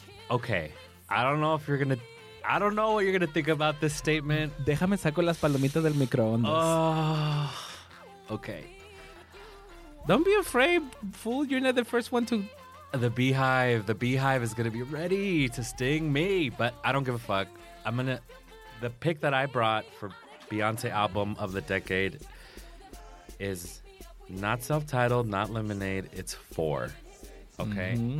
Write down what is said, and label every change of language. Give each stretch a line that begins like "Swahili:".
English: Okay, I don't know if you're gonna. I don't know what you're gonna think about this statement.
Spanish: Déjame saco las palomitas del microondas.
English: Okay. Don't be afraid, fool. You're not the first one to. The beehive is gonna be ready to sting me, but I don't give a fuck. The pick that I brought for Beyonce album of the decade is not self-titled, not Lemonade. It's Four. Okay. Mm-hmm.